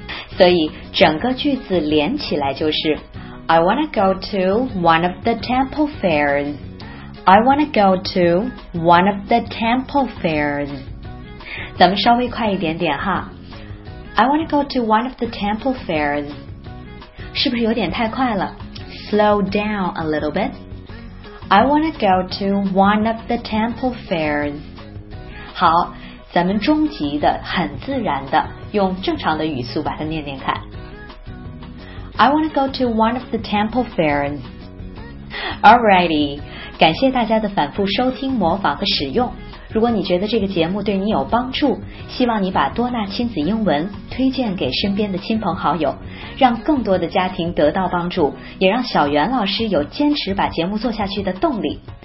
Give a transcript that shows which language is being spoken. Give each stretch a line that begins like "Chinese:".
Chinese: 所以整个句子连起来就是
English: I want to go to one of the temple fairs。
Chinese: 咱们稍微快一点点哈，
English: I want to go to one of the temple fairs.
Chinese: 是不是有点太快了？
English: Slow down a little bit. I want to go to one of the temple fairs.
Chinese: 好，咱们终极的，很自然的，用正常的语速把它念念看。
English: I want to go to one of the temple fairs.
Chinese: Alrighty, 感谢大家的反复收听、模仿和使用。如果你觉得这个节目对你有帮助，希望你把多纳亲子英文推荐给身边的亲朋好友，让更多的家庭得到帮助，也让小袁老师有坚持把节目做下去的动力。